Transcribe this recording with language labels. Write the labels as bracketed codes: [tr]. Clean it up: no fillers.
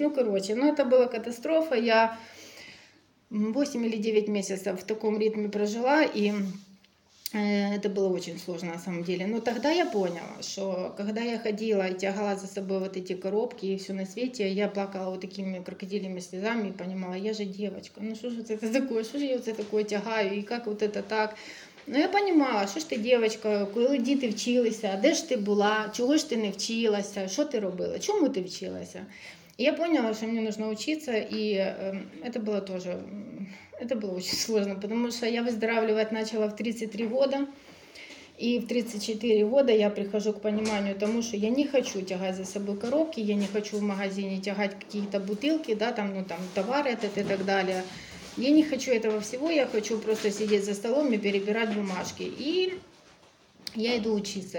[ru] Ну, короче, ну это была катастрофа. Я 8 или 9 месяцев в таком ритме прожила, и это было очень сложно на самом деле. Но тогда я поняла, что когда я ходила и тягала за собой вот эти коробки и все на свете, я плакала вот такими крокодильными слезами и понимала, я же девочка, ну что же это такое, что же я вот это такое тягаю, и как вот это так... [uk] Ну, я понимала, що ж ти, дівчинка, коли ти вчилася, де ж ти була, чого ж ти не вчилася, що ти робила, чому ти вчилася. І я поняла, що мені потрібно вчитися, і це було теж, це було дуже складно, тому що я виздоравлювати почала в 33 роки, і в 34 роки я прихожу до розуміння тому, що я не хочу тягати за собою коробки, я не хочу в магазині тягати якісь бутилки, да, там, ну, там, товари і так далі. [ru] Я не хочу этого всего, я хочу просто сидеть за столом и перебирать бумажки. И я иду учиться.